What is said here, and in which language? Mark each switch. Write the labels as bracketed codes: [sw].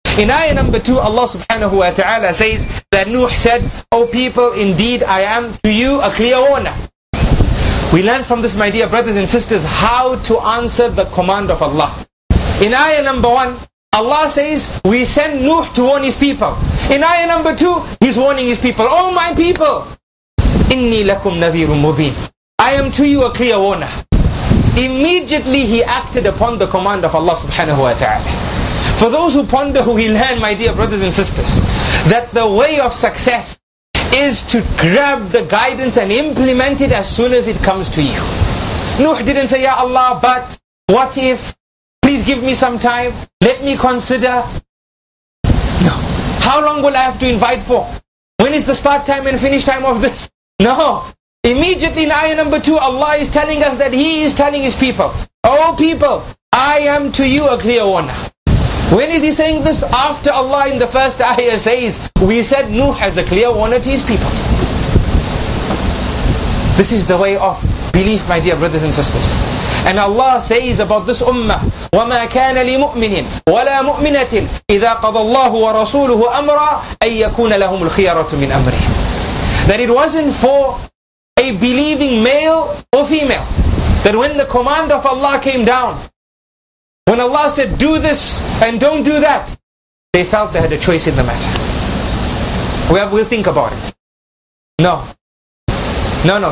[en] In ayah number 2, Allah subhanahu wa ta'ala says that Nuh said, O people, indeed I am to you a clear warner. We learn from this, my dear brothers and sisters, how to answer the command of Allah. In ayah number 1, Allah says, we send Nuh to warn His people. In ayah number 2, He's warning His people. Oh my people, [ar] إِنِّي لَكُمْ نَذِيرٌ مُبِينٌ. [en] I am to you a clear warner. Immediately he acted upon the command of Allah subhanahu wa ta'ala. For those who ponder, who we learn, my dear brothers and sisters, that the way of success is to grab the guidance and implement it as soon as it comes to you. Nuh didn't say, Ya Allah, but what if? Please give me some time. Let me consider. No. How long will I have to invite for? When is the start time and finish time of this? No. Immediately in ayah number 2, Allah is telling us that He is telling His people, oh people, I am to you a clear warner. When is He saying this? After Allah in the first ayah says, we said Nuh has a clear warner to His people. This is the way of belief, my dear brothers and sisters. And Allah says about this ummah, [ar] وَمَا كَانَ لِمُؤْمِنٍ وَلَا مُؤْمِنَةٍ إِذَا قَضَى اللَّهُ وَرَسُولُهُ أَمْرًا أَن يَكُونَ لَهُمُ الْخِيَرَةُ مِنْ أَمْرِهِ. [en] That it wasn't for a believing male or female, that when the command of Allah came down, when Allah said, do this and don't do that, they felt they had a choice in the matter. We'll think about it. No. No, no.